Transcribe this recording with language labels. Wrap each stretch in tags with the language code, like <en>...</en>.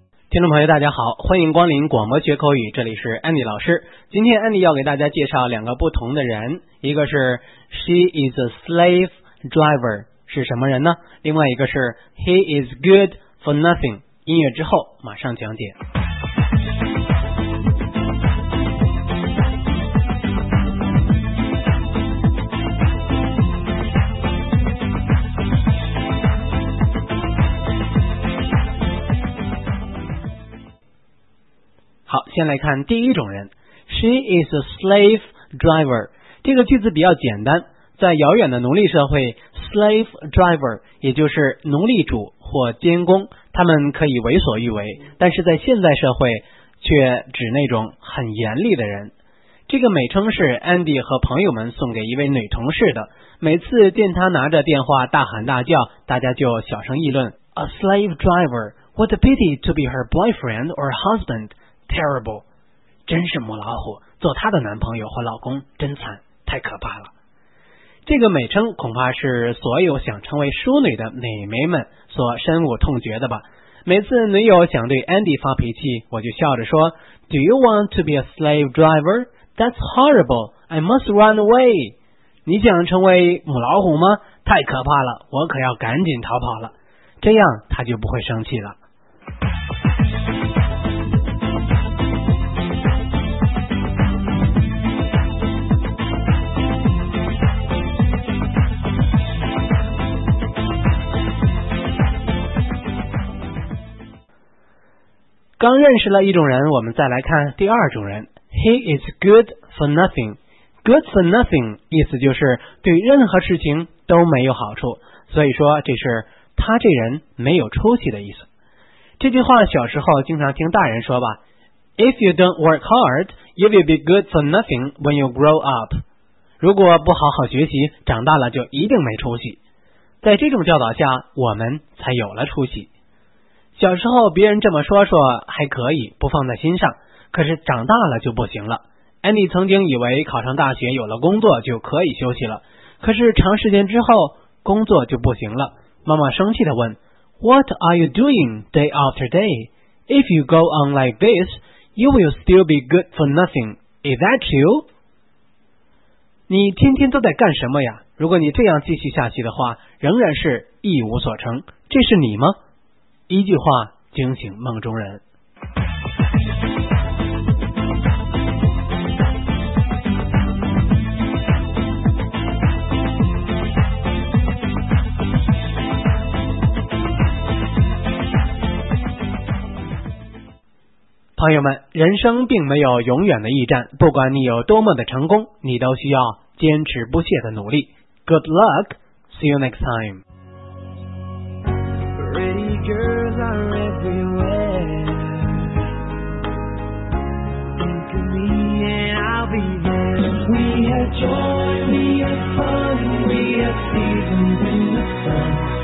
<zh>听众朋友大家好，欢迎光临广播学口语，这里是 Andy 老师。今天 Andy 要给大家介绍两个不同的人，一个是</zh> <en>She is a slave driver</en> <zh>是什么人呢？另外一个是</zh> <en>He is good for nothing。</en> <zh>音乐之后马上讲解。好，先来看第一种人，</zh> <en>She is a slave driver。</en> <zh>这个句子比较简单，在遥远的奴隶社会， slave driver 也就是奴隶主或监工，他们可以为所欲为，但是在现代社会却指那种很严厉的人。这个美称是 Andy 和朋友们送给一位女同事的，每次见她拿着电话大喊大叫，大家就小声议论</zh> <en>A slave driver, what a pity to be her boyfriend or husband,Terrible,</en> <zh>真是母老虎，做她的男朋友或老公真惨，太可怕了。这个美称恐怕是所有想成为淑女的美眉们所深恶痛绝的吧。每次女友想对 Andy 发脾气，我就笑着说</zh> <en>Do you want to be a slave driver? That's horrible, I must run away.</en> <zh>你想成为母老虎吗？太可怕了，我可要赶紧逃跑了。这样她就不会生气了。刚认识了一种人，我们再来看第二种人。</zh> <en>He is good for nothing. Good for nothing</en> <zh>意思就是对任何事情都没有好处，所以说这是他这人没有出息的意思。这句话小时候经常听大人说吧，</zh> <en>If you don't work hard, you will be good for nothing when you grow up.</en> <zh>如果不好好学习，长大了就一定没出息。在这种教导下，我们才有了出息。小时候别人这么说说还可以，不放在心上，可是长大了就不行了。 Andy 曾经以为考上大学有了工作就可以休息了，可是长时间之后工作就不行了。妈妈生气地问</zh> <en>What are you doing day after day? If you go on like this, you will still be good for nothing. Is that true?</en> <zh>你天天都在干什么呀？如果你这样继续下去的话，仍然是一无所成，这是你吗？一句话惊醒梦中人。朋友们，人生并没有永远的驿站，不管你有多么的成功，你都需要坚持不懈的努力。</zh> <en>Good luck, see you next time. Ready girlare everywhere. Think of me and I'll be there. We have joy, we have fun, we have seasons in the sun.</en>